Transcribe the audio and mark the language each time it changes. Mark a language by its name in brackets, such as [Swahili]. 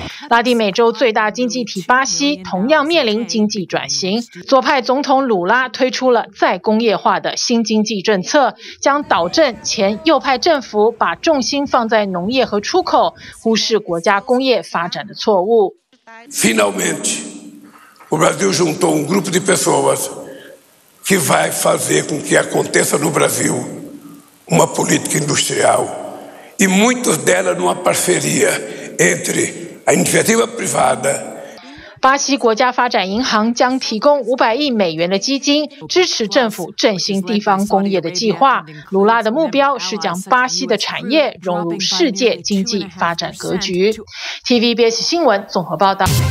[Chinese] 拉丁美洲最大经济体巴西同样面临经济转型，左派总统鲁拉推出了再工业化的新经济政策，将导正前右派政府把重心放在农业和出口，忽视国家工业发展的错误。 [Portuguese] Finalmente, o Brasil juntou um grupo de pessoas que vai fazer com que aconteça no Brasil uma política industrial, e muitos delas numa parceria entre a iniciativa privada。 [Chinese] 巴西国家发展银行将提供500亿美元的基金，支持政府振兴地方工业的计划。鲁拉的目标是将巴西的产业融入世界经济发展格局。 TVBS 新闻综合报道。